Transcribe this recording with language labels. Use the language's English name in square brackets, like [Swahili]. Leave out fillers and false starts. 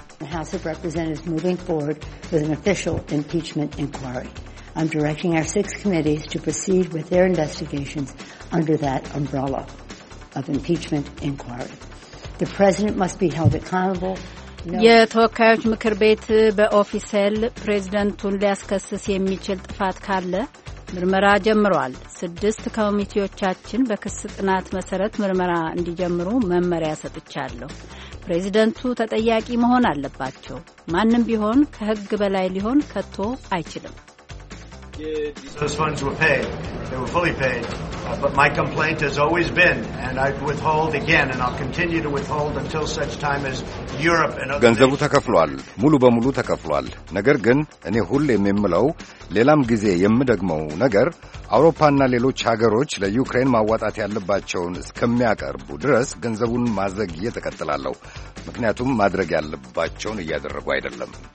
[English] House of Representatives moving forward with an official impeachment inquiry. I'm directing our six committees to proceed with their investigations under that umbrella of impeachment inquiry. The president must be held accountable. [Amharic] የተወካዮች ምክር ቤት በኦፊሴል ፕሬዝዳንቱን ሊያስከስስ የሚችል ጥፋት ካለ ምርመራ ጀምሯል። ስድስት ኮሚቴዎቻችን በክስ ጥናት መሰረት ምርመራ እንዲጀምሩ መመሪያ ሰጥቻለሁ። ፕሬዝዳንቱ ተጠያቂ መሆን አለባቸው። ማንንም ቢሆን ከህግ በላይ ሊሆን ከቶ አይችልም። [English] These funds were paid. They were fully paid. But my complaint has always been and I withhold again and I'll continue to withhold until such time as Europe and other [Amharic] ገንዘቡ ተከፍሏል። ሙሉ በሙሉ ተከፍሏል። ነገር ግን እኔ ሁሌ የምምለው ሌላም ጊዜ የምደግመው ነገር አውሮፓና ሌሎች ሀገሮች ለዩክሬን ማዋጣት ያለባቸውን እስከሚያቀርቡ ድረስ ገንዘቡን ማዘግየት ተከትላለሁ። ምክንያቱም ማድረግ ያለባቸውን እያደረጉ አይደለም።